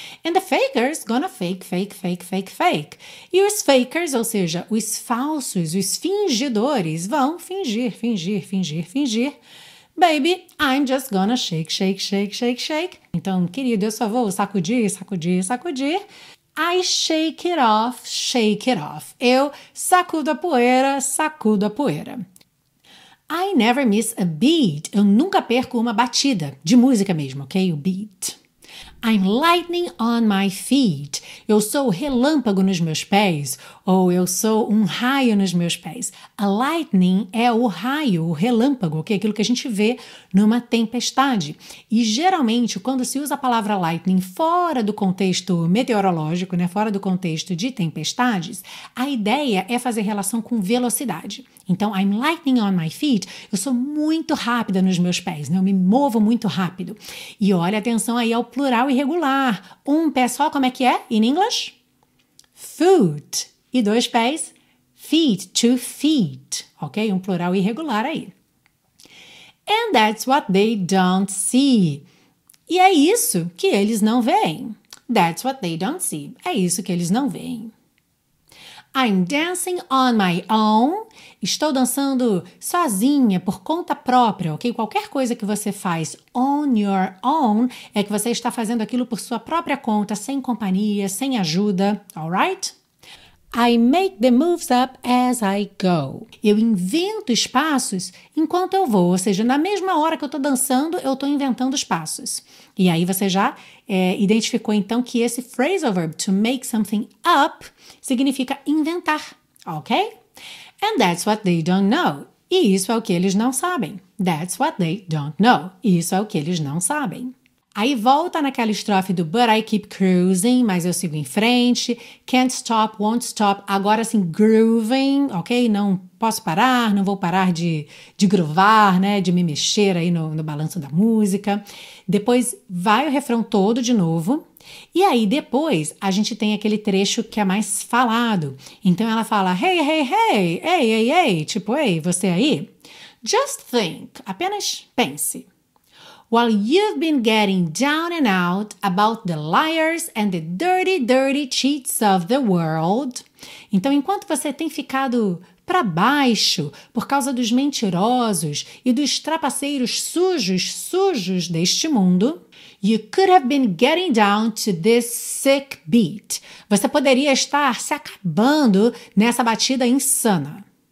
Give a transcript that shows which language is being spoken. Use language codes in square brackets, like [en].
[en] And the fakers gonna fake, fake, fake, fake, fake. [pt] E os fakers, ou seja, os falsos, os fingidores, vão fingir, fingir, fingir, fingir. [en] Baby, I'm just gonna shake, shake, shake, shake, shake. [pt] Então, querido, eu só vou sacudir, sacudir, sacudir. [en] I shake it off, shake it off. [pt] Eu sacudo a poeira, sacudo a poeira. [en] I never miss a beat. [pt] Eu nunca perco uma batida de música mesmo, ok? O beat. [en] I'm lightning on my feet. [pt] Eu sou relâmpago nos meus pés. Ou eu sou um raio nos meus pés. A lightning é o raio, o relâmpago, ok? Aquilo que a gente vê numa tempestade. E geralmente, quando se usa a palavra lightning fora do contexto meteorológico, né? Fora do contexto de tempestades, a ideia é fazer relação com velocidade. [en] Então, I'm lightning on my feet. [pt] Eu sou muito rápida nos meus pés, né? Eu me movo muito rápido. E olha atenção aí ao plural irregular. Um pé só, como é que é? [en] In English? [pt] Foot. E dois pés? [en] Feet, two feet. [pt] Ok? Um plural irregular aí. [en] And that's what they don't see. [pt] E é isso que eles não veem. [en] That's what they don't see. [pt] É isso que eles não veem. [en] I'm dancing on my own. [pt] Estou dançando sozinha, por conta própria, ok? Qualquer coisa que você faz on your own é que você está fazendo aquilo por sua própria conta, sem companhia, sem ajuda, alright? [en] I make the moves up as I go. [pt] Eu invento os passos enquanto eu vou, ou seja, na mesma hora que eu estou dançando, eu estou inventando os passos. E aí você já identificou então que esse phrasal verb, to make something up, significa inventar, ok? [en] And that's what they don't know. [pt] E isso é o que eles não sabem. [en] That's what they don't know. [pt] E isso é o que eles não sabem. Aí volta naquela estrofe do [en] but I keep cruising, [pt] mas eu sigo em frente. [en] Can't stop, won't stop. [pt] Agora assim, [en] grooving, ok? [pt] Não posso parar, não vou parar de groovar, né? De me mexer aí no balanço da música. Depois vai o refrão todo de novo. E aí depois a gente tem aquele trecho que é mais falado. Então ela fala, hey, hey, hey, hey, hey, hey, tipo, ei, você aí? [en] Just think, [pt] apenas pense. [en] While you've been getting down and out about the liars and the dirty, dirty cheats of the world. [pt] Então, enquanto você tem ficado para baixo por causa dos mentirosos e dos trapaceiros sujos, sujos deste mundo, [en] you could have been getting down to this sick beat. [pt] Você poderia estar se acabando nessa batida insana.